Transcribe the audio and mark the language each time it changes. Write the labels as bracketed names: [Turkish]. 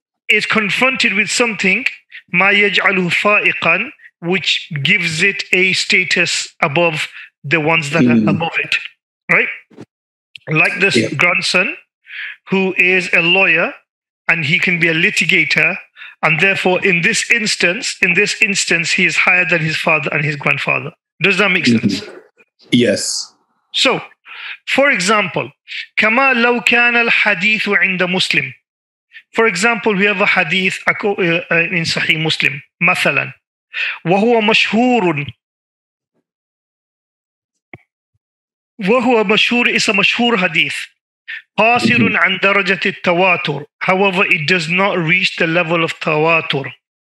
[English] is confronted with something, [Arabic] ma yaj'alu fa'iqan, [English] which gives it a status above the ones that mm-hmm. are above it, right? Like this yeah. grandson, who is a lawyer, and he can be a litigator, and therefore, in this instance, he is higher than his father and his grandfather. Does that make sense? Yes. So, for example, [Arabic] كَمَا لَوْ كَانَ الْحَدِيثُ عِنْدَ مُسْلِمٍ. [English] For example, we have a hadith in Sahih Muslim, [Arabic] مَثَلًا وَهُوَ مَشْهُورٌ. وَهُوَ مَشْهُورٌ [English] is a mashhur hadith. [Arabic] قَاسِرٌ عَنْ دَرَجَةِ التَّوَاتُرِ. [English] However, it does not reach the level of tawatur.